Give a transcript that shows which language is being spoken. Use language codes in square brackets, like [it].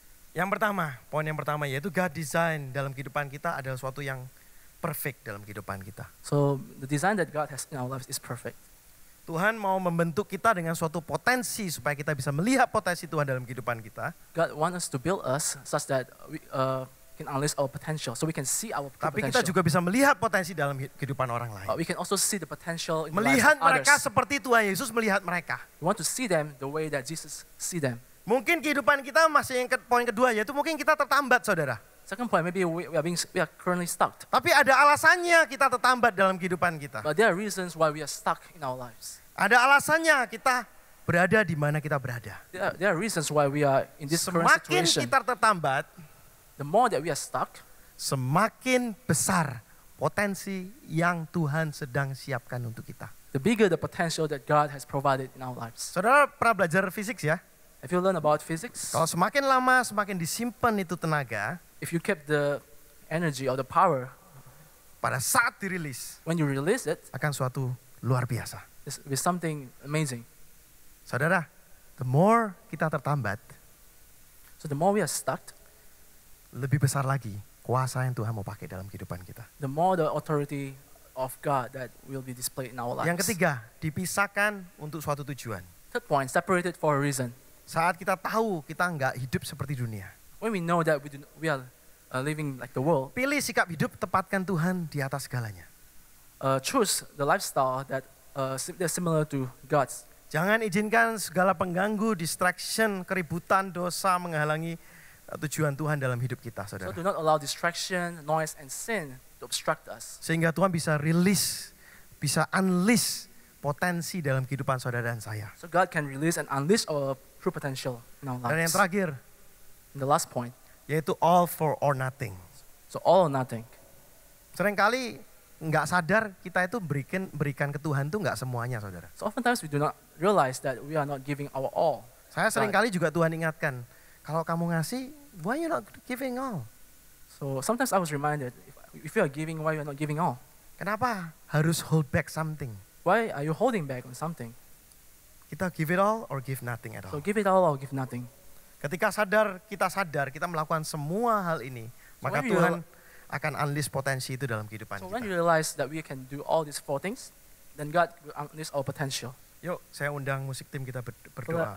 [id] Yang pertama, poin yang pertama yaitu God design dalam kehidupan kita adalah suatu yang perfect dalam kehidupan kita. [en] So the design that God has in our lives is perfect. [id] Tuhan mau membentuk kita dengan suatu potensi supaya kita bisa melihat potensi Tuhan dalam kehidupan kita. [en] God wants us to build us such that we can unleash our potential, so we can see our potential. [id] Tapi kita juga bisa melihat potensi dalam kehidupan orang lain. [en] We can also see the potential in [id] melihat mereka seperti Tuhan Yesus melihat mereka. [en] We want to see them the way that Jesus see them. [id] Mungkin kehidupan kita masih yang poin kedua, yaitu mungkin kita tertambat, saudara. [en] Second point, maybe we are currently stuck. [id] Tapi ada alasannya kita tertambat dalam kehidupan kita. [en] But there are reasons why we are stuck in our lives. [id] Ada alasannya kita berada di mana kita berada. [en] There are reasons why we are in this [id] semakin [en] current situation. [id] Semakin kita tertambat, [en] the more that we are stuck, [id] semakin besar potensi yang Tuhan sedang siapkan untuk kita. [en] The bigger the potential that God has provided in our lives. [id] Saudara pernah belajar fisik ya? [en] If you learn about physics, [id] kalau semakin lama semakin disimpan itu tenaga, [en] if you keep the energy or the power, [id] pada saat dirilis, [en] when you release it, [id] akan suatu luar biasa. [en] It's with something amazing. [id] Saudara, [en] the more [id] kita tertambat, [en] so the more we are stuck, [id] lebih besar lagi kuasa yang Tuhan mau pakai dalam kehidupan kita. [en] The more the authority of God that will be displayed in our lives. [id] Yang ketiga, dipisahkan untuk suatu tujuan. [en] Third point, separated for a reason. [id] Saat kita tahu kita enggak hidup seperti dunia. [en] When we know that we are living like the world. [id] Pilih sikap hidup, tepatkan Tuhan di atas segalanya. [en] Choose the lifestyle that is similar to God's. [id] Jangan izinkan segala pengganggu, distraction, keributan, dosa menghalangi tujuan Tuhan dalam hidup kita, saudara. [en] So do not allow distraction, noise, and sin to obstruct us. [id] Sehingga Tuhan bisa release, bisa unleash potensi dalam kehidupan saudara dan saya. [en] So God can release and unleash our true potential in our lives. [id] Dan yang terakhir, [en] the last point, yaitu all for or nothing. So all or nothing. [id] Seringkali enggak sadar kita itu berikan ke Tuhan itu enggak semuanya, saudara. [en] So oftentimes we do not realize that we are not giving our all. [id] Saya seringkali juga Tuhan ingatkan, kalau kamu ngasih, [en] why you not giving all? So sometimes I was reminded, if you are giving, why you are not giving all? [id] Kenapa harus [en] hold back something? Why are you holding back on something? Kita give it all or give nothing at all? So give it all or give nothing. [id] Ketika sadar, kita melakukan semua hal ini, so maka Tuhan akan unleash potensi itu dalam kehidupan [en] so So when you realize that we can do all these four things, then God will unleash our potential. [id] Yuk, saya undang musik tim kita berdoa.